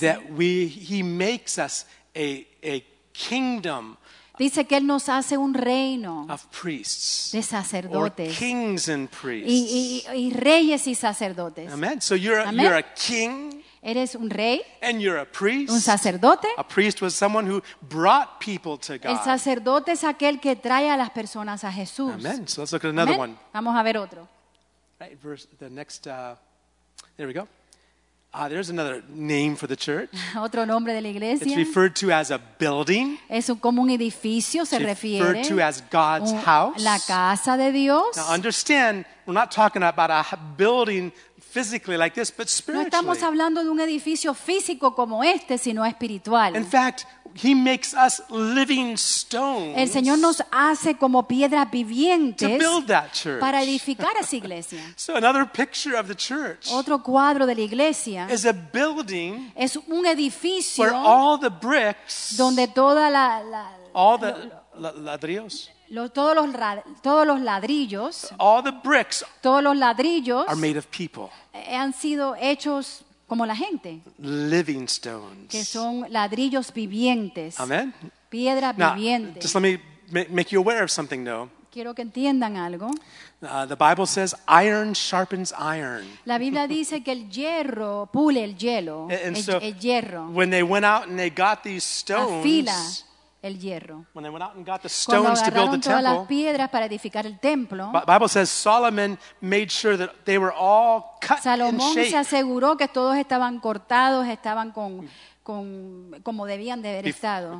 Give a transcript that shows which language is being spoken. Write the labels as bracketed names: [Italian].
[English] That he makes us a kingdom. [Spanish] Dice que Él nos hace un reino [English] of priests, [Spanish] de sacerdotes [English] or kings and priests. [Spanish] Y reyes y sacerdotes. [English] Amen. So you're a king. [Spanish] Eres un rey. [English] And you're a priest. [Spanish] Un sacerdote. [English] A priest was someone who brought people to God. [Spanish] El sacerdote es aquel que trae a las personas a Jesús. [English] Amen. So let's look at another Amen. One. [Spanish] Vamos a ver otro. [English] Right, verse, the next, there we go. There's another name for the church. [Spanish] Otro nombre de la iglesia. [English] It's referred to as a building. [Spanish] Es como un edificio, se refiere. [English] Referred to as God's house. [Spanish] La casa de Dios. [English] Now understand, we're not talking about a building physically like this, but spiritually. [Spanish] No estamos hablando de un edificio físico como este, sino espiritual. [English] In fact, He makes us living stones. [Spanish] El Señor nos hace como piedras vivientes [English] to build that church. [Spanish] Para edificar esa iglesia. [English] So another picture of the church. [Spanish] Otro cuadro de la iglesia. [English] Is a building. [Spanish] Es un edificio. [English] Where all the bricks. [Spanish] Donde toda la, la [English] all the ladrillos. [Spanish] Todos los ladrillos. [English] All the bricks. [Spanish] Todos los ladrillos. [English] Are made of people. [Spanish] Han sido hechos como la gente. [English] Living stones. [Spanish] Que son ladrillos vivientes. [English] Amen. [Spanish] Piedras [English] Now, [Spanish] vivientes. [English] Just let me make you aware of something though. [Spanish] Quiero que entiendan algo. [English] The Bible says iron sharpens iron. [Spanish] La Biblia dice que el hierro pule el hielo. [English] And [Spanish] so, el hierro. [English] When they went out and they got these stones. [Spanish] Afila el hierro. [English] When they went out and got the stones to build the temple. [Spanish] Cuando agarraron todas las piedras para edificar el templo. [English] The Bible says Solomon made sure that they were all cut [Spanish] Salomón [English] in shape. [Spanish] Salomón se aseguró que todos estaban cortados, estaban con como debían de haber estado.